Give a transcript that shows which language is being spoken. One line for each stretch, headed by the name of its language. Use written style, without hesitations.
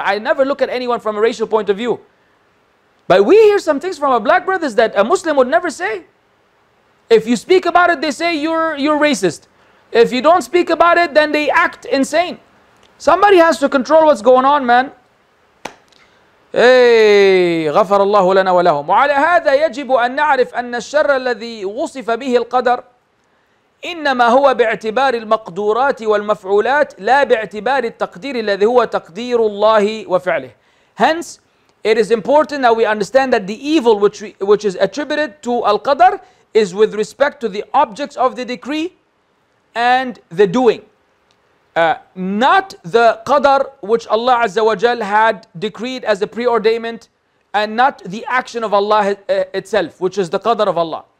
English: I never look at anyone from a racial point of view. But we hear some things from our black brothers that a Muslim would never say. If you speak about it, they say you're racist. If you don't speak about it, then they act insane. Somebody has to control what's going on, man.
Arabic: Hey, غفر الله لنا ولهم. وعلى هذا يجب أن نعرف أن الشر الذي وصف به القدر إنما هو باعتبار المقدورات والمفعولات لا باعتبار التقدير الذي هو تقدير الله وفعله.
English: Hence, it is important that we understand that the evil which is attributed to al-qadr is with respect to the objects of the decree and the doing. Not the qadr which Allah Azza wa Jal had decreed as a pre-ordainment, and not the action of Allah itself, which is the qadr of Allah.